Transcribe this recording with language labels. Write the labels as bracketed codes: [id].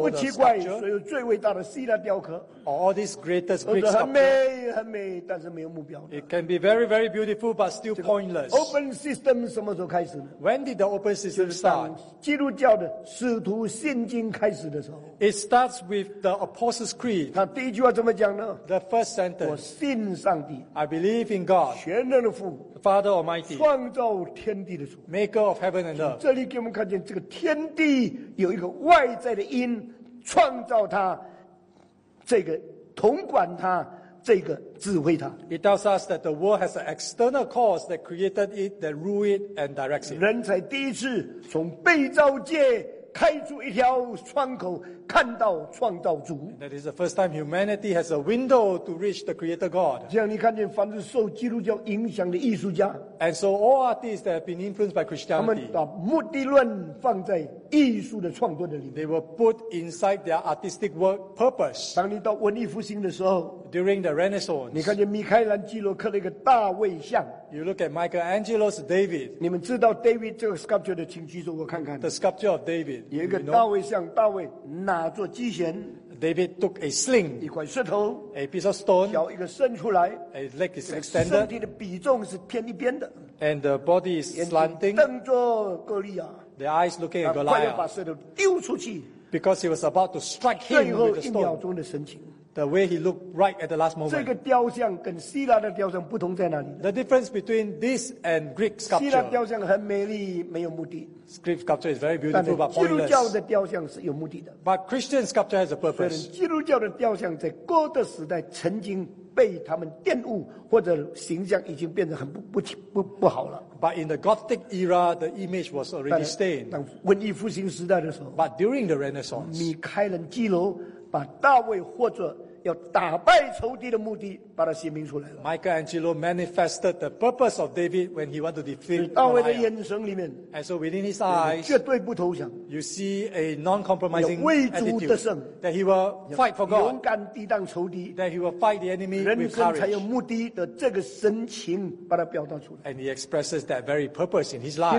[zh] 不奇怪所有最伟大的希腊雕刻。 [en] All these greatest Greek sculptures. [zh] 很美很美，但是没有目标。 [en] It can be very very beautiful, but still pointless. [zh] Open system 什么时候开始呢？ [en] When did the open system start? [zh] 基督教的使徒信经开始的时候。 [en] It starts with the Apostles' Creed. [zh] 他第一句话怎么讲呢？ [en] The first sentence. [zh] 我信上帝。 [en] I believe in God. [zh] 全能的父。 [en] Father Almighty. [zh] 创造天地的主。 [en] Maker of heaven and earth. [zh] 这里给我们看见这个天地有一个外在的因创造它。这个统管它，这个指挥它。 [en] It tells us that the world has an external cause that created it, that ruled it and directs it. [zh] 人才第一次从被造界开出一条窗口，看到创造主。 [en] And that is the first time humanity has a window to reach the Creator God. [zh] 这样你看见凡是受基督教影响的艺术家。 [en] And so all artists that have been influenced by Christianity. [zh] 他们把目的论放在艺术的创作的里面。 [en] They were put inside their artistic work purpose. [zh] 当你到文艺复兴的时候。 [en] During the Renaissance. [zh] 你看见米开朗基罗刻了一个大卫像。 [en] You look at Michelangelo's David. [zh] 你们知道 David 这个 sculpture 的请举手我看看。 [en] The sculpture of David. [zh] 有一个大卫像，大卫拿着机弦。 [en] David took a sling. [zh] 一块石头。 [en] A piece of stone. [zh] 挑一个伸出来。 [en] A leg is extended. [zh] 身体的比重是偏一边的。 [en] And the body is slanting. [zh] 瞪着哥利亚。 [en] The eyes looking at Goliath. [zh] 快要把石头丢出去。 [en] Because he was about to strike him with the stone. [zh] 最后一秒钟的神情。 [en] The way he looked right at the last moment. [zh] 这个雕像跟希腊的雕像不同在哪里？ [en] The difference between this and Greek sculpture. [zh] 希腊雕像很美丽，没有目的。 [en] Greek sculpture is very beautiful but pointless. [zh] 基督教的雕像是有目的的。 [en] But Christian sculpture has a purpose. [zh] 基督教的雕像在哥德时代曾经被他们玷污，或者形象已经变得很不好了。 [en] But in the Gothic era, the image was already stained. [zh] 当文艺复兴时代的时候。 [en] But during the Renaissance. [zh] 米开朗基罗把大卫或者要打败仇敌的目的，把它写明出来了。 [en] Michelangelo manifested the purpose of David when he wanted to defeat Goliath. [zh] 大卫的眼神里面 [en] ，and so within his eyes， [zh] 绝对不投降。 [en] You see a non-compromising attitude. That he will fight for God. [zh] 勇敢抵挡仇敌。 [en] That he will fight the enemy with courage. [zh] 人生才有目的的这个神情，把它表达出来。 [en] And he expresses that very purpose in his life.